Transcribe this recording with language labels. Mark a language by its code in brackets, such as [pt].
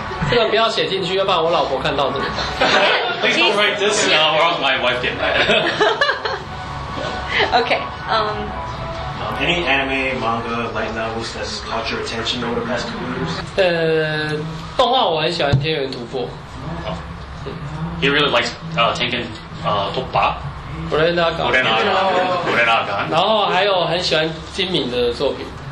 [zh] 这个不要写进去，要不然我老婆看到怎么办？ [en] Please don't write this now, or else my wife get mad. Okay. Any anime, manga, light novels that's caught your attention over the past two years? [zh] 动画我很喜欢《天元突破》。 [en] He really likes Tengen Toppa. [zh] 布雷纳冈，布雷纳冈，布雷纳冈。然后还有很喜欢金敏的作品。